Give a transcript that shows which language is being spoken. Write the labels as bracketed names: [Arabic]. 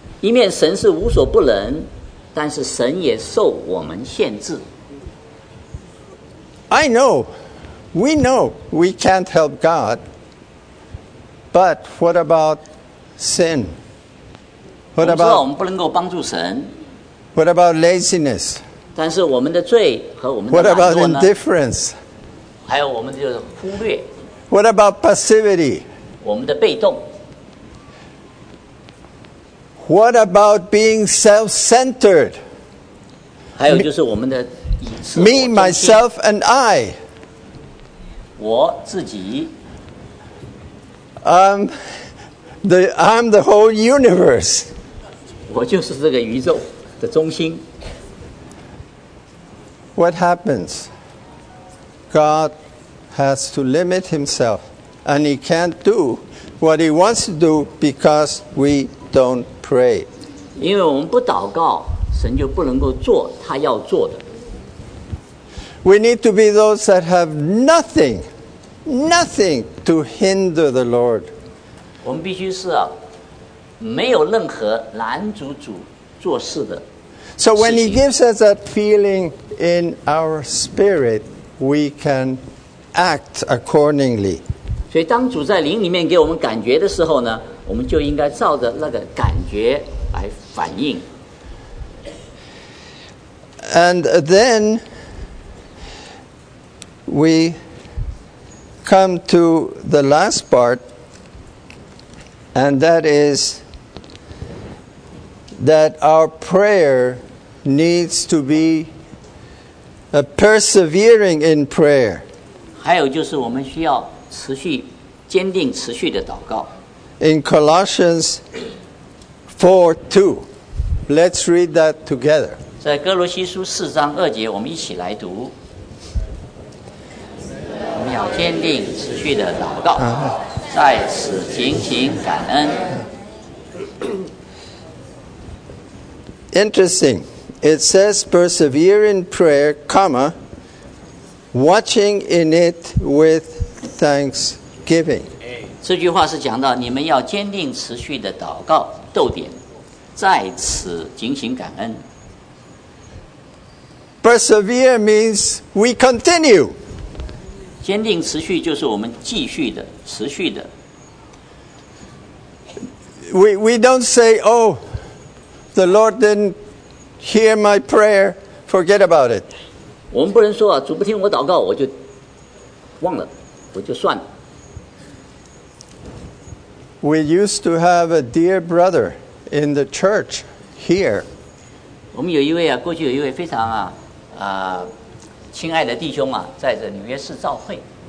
[Chinese] 一面神是无所不能，但是神也受我们限制。 [English] I know, we know we can't help God. But what about sin? What about, [Chinese] 我知道我们不能够帮助神。 [English] What about laziness? [Chinese] 但是我们的罪和我们的懒惰呢？ [English] What about indifference? [Chinese] 还有我们的忽略。 [English] What about passivity? [Chinese] 我们的被动。 [English] What about being self-centered? [Chinese] 还有就是我们的以自我中心。 [English] Me, myself, and I. [Chinese] 我自己。 [English] I'm the whole universe. [Chinese] 我就是这个宇宙的中心。 [English] What happens? God has to limit himself, and he can't do what he wants to do because we don't pray. [Chinese] 因为我们不祷告，神就不能够做他要做的。 [English] We need to be those that have nothing to hinder the Lord. [Chinese] 我们必须是啊，没有任何拦阻主做事的事情。 [English] So when he gives us that feeling in our spirit, we can act accordingly. [Chinese] 所以当主在灵里面给我们感觉的时候呢，我们就应该照着那个感觉来反应。 [English] And then we come to the last part, and that is that our prayer needs to be a persevering in prayer. [Chinese] 还有就是我们需要持续、坚定、持续的祷告。 [English] In Colossians 4:2, let's read that together. [Chinese] 在哥罗西书四章二节，我们一起来读。我们要坚定持续的祷告，在此警醒感恩。 [English] Interesting. It says, "Persevere in prayer, comma, watching in it with thanksgiving." [Chinese] 这句话是讲到你们要坚定持续的祷告，逗点，在此警醒感恩。 [English] Persevere means we continue. [Chinese] 坚定持续就是我们继续的、持续的。 [English] We don't say, "Oh, the Lord didn't hear my prayer. Forget about it." [Chinese] 我们不能说啊，主不听我祷告，我就忘了，我就算了。 [English] We used to have a dear brother in the church here. [Chinese] 我们有一位啊，过去有一位非常啊，亲爱的弟兄啊，在这纽约市召会。